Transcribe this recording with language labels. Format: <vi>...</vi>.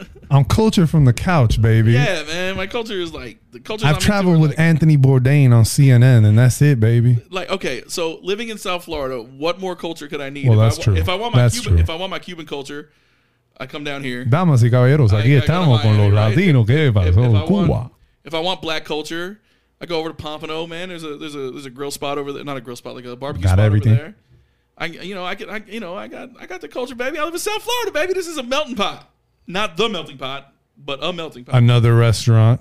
<en>I'm culture from the couch, baby. Yeah, man. My culture is like the culture. I've traveled with Anthony Bourdain on CNN, and that's it, baby. Like, okay, so living in South Florida, what more culture could I need? Well, that's true. If I want my Cuban culture, I come down here.</en> <es>Damas y caballeros, aquí estamos con los latinos. ¿Qué pasó? Cuba.</es> <en>If I want black culture, I go over to Pompano, man. There's a grill spot over there. Not a grill spot, like a barbecue spot over there. I got the culture, baby. I live in South Florida, baby. This is a melting pot. Not the melting pot, but a melting pot. Another restaurant.</en>